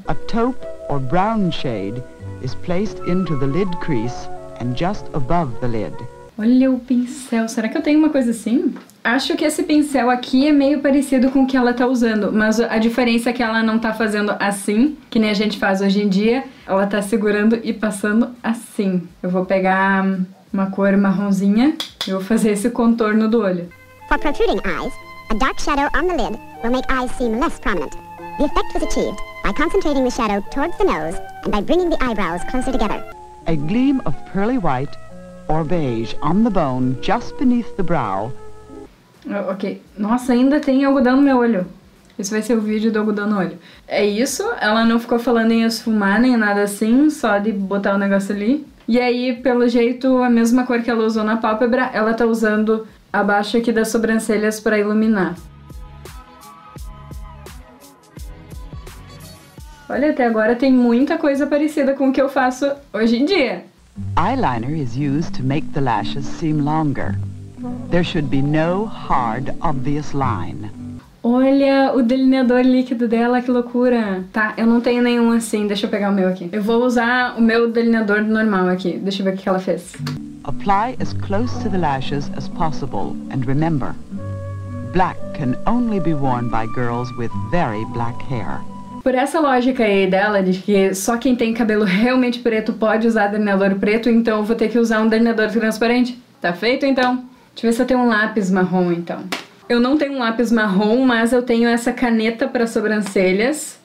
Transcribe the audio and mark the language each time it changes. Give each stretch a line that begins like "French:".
English: A taupe or brown shade is placed into the lid crease and just above the lid.
Portuguese: Olha o pincel. Será que eu tenho uma coisa assim? Acho que esse pincel aqui é meio parecido com o que ela tá usando, mas a diferença é que ela não tá fazendo assim, que nem a gente faz hoje em dia. Ela tá segurando e passando assim. Eu vou pegar uma cor marronzinha e vou fazer esse contorno do olho.
English: For protruding eyes, a dark shadow on the lid will make eyes seem less prominent. The effect was achieved by concentrating the shadow towards the nose and by bringing the eyebrows closer together. A gleam of pearly white or beige on the bone just beneath the brow. Okay.
Portuguese: Nossa, ainda tem algodão no meu olho. Isso vai ser o vídeo do algodão no olho. É isso, ela não ficou falando em esfumar nem nada assim, só de botar o negócio ali. E aí, pelo jeito, a mesma cor que ela usou na pálpebra, ela tá usando abaixo aqui das sobrancelhas pra iluminar. Olha, até agora tem muita coisa parecida com o que eu faço hoje em dia.
English: Eyeliner is used to make the lashes seem longer. There should be no hard, obvious line.
Portuguese: Olha o delineador líquido dela, que loucura. Tá, eu não tenho nenhum assim, deixa eu pegar o meu aqui. Eu vou usar o meu delineador normal aqui, deixa eu ver o que ela fez.
English: Apply as close to the lashes as possible, and remember, black can only be worn by girls with very black hair.
Portuguese: Por essa lógica aí dela, de que só quem tem cabelo realmente preto pode usar delineador preto, então eu vou ter que usar um delineador transparente. Tá feito então? Deixa eu ver se eu tenho um lápis marrom então. Eu não tenho um lápis marrom, mas eu tenho essa caneta para sobrancelhas.